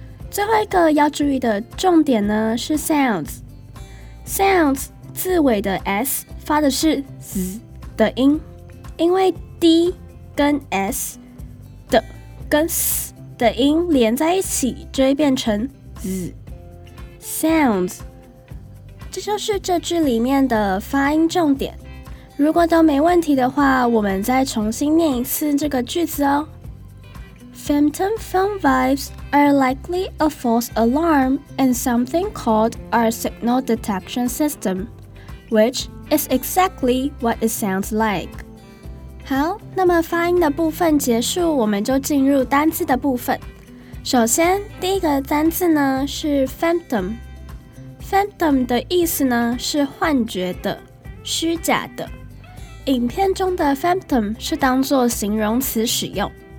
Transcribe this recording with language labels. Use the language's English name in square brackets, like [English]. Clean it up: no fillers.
[Chinese] 最后一个要注意的重点呢是 sounds 字尾的 s 发的是 z 的音，因为 d 跟 s 的跟 s 的音连在一起就会变成 z sounds。这就是这句里面的发音重点，如果都没问题的话，我们再重新念一次这个句子哦。 [English] Phantom phone vibes are likely a false alarm in something called our signal detection system, which is exactly what it sounds like. [Chinese] 好，那么发音的部分结束，我们就进入单字的部分。首先，第一个单字呢是 phantom。 Phantom 的意思呢是幻觉的、虚假的。影片中的 phantom 是当作形容词使用。